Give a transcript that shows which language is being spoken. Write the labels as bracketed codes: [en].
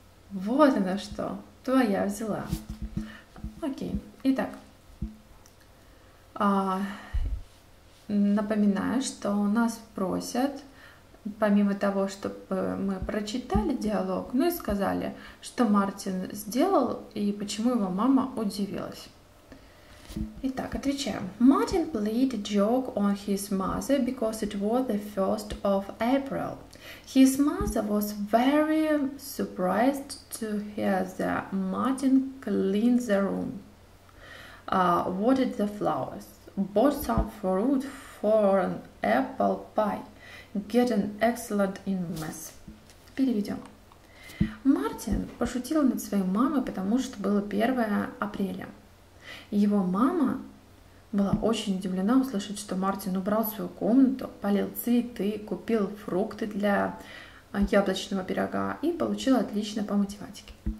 [ru] Вот она что, твоя взяла. Окей, итак, напоминаю, что нас просят, помимо того, чтобы мы прочитали диалог, ну и сказали, что Мартин сделал и почему его мама удивилась. Итак, отвечаем. [en] Martin played a joke on his mother because it was the 1st of April. His mother was very surprised to hear that Martin cleaned the room, watered the flowers, bought some fruit for an apple pie, getting excellent in math. [ru] Переведем. Мартин пошутил над своей мамой, потому что было 1 апреля. Его мама была очень удивлена услышать, что Мартин убрал свою комнату, полил цветы, купил фрукты для яблочного пирога и получил отлично по математике.